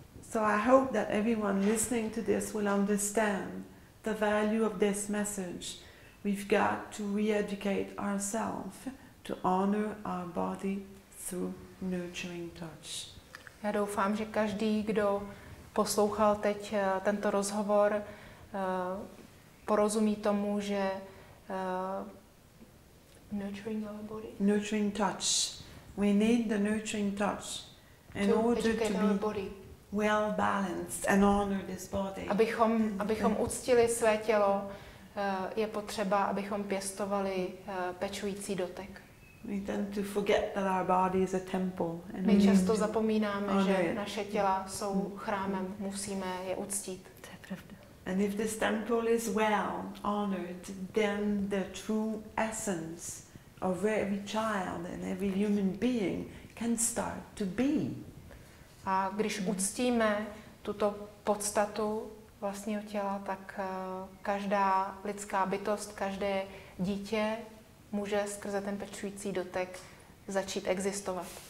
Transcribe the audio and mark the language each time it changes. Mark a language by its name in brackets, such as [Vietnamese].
[English] So I hope that everyone listening to this will understand the value of this message. We've got to re-educate ourselves to honor our body through nurturing touch. [Czech] Já doufám, že každý, kdo poslouchal teď tento rozhovor, porozumí tomu, že [English] nurturing our body. Nurturing touch. We need the nurturing touch in order to be well balanced and honor this body. [Czech] Abychom uctili své tělo, je potřeba, abychom pěstovali pečující dotek. [English] We tend to forget that our body is a temple. [Czech] My často zapomínáme, že naše těla jsou chrámem, musíme je uctít. To je pravda. [English] And if this temple is well honored, then the true essence of every child and every human being can start to be. [Czech] A když uctíme tuto podstatu vlastního těla, tak každá lidská bytost, každé dítě může skrze ten pečující dotek začít existovat.